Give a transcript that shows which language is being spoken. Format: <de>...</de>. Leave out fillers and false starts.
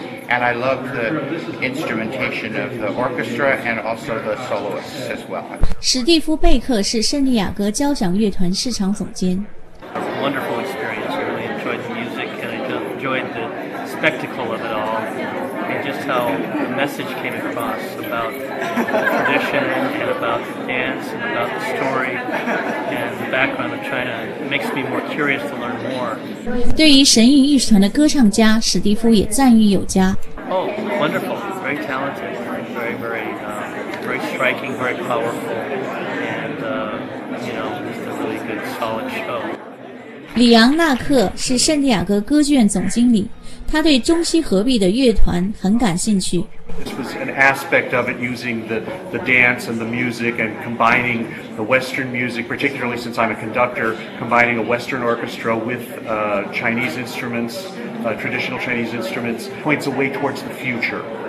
<en>And I love the instrumentation of the orchestra and also the soloists as well.</en> <zh>史蒂夫·贝克是圣地亚哥交响乐团市场总监。</zh> <en>Wonderful experience. I really enjoyed the music and I enjoyed the spectacle of it all. Just how the message came across about tradition and about dance and about the story and the background of China makes me more curious to learn more.</en> <zh>对于神韵艺术团的歌唱家史蒂夫也赞誉有加。</zh> <en>Oh, wonderful! Very talented, very, very, very striking, very powerful, and you know, just a really good, solid show.</en> <zh>里昂纳克是圣地亚哥歌剧院总经理。他对中西合璧的乐团很感兴趣。</zh> <en>This was an aspect of it, using the dance and the music and combining the Western music, particularly since I'm a conductor, combining a Western orchestra with Chinese instruments, traditional Chinese instruments, points a way towards the future.</en>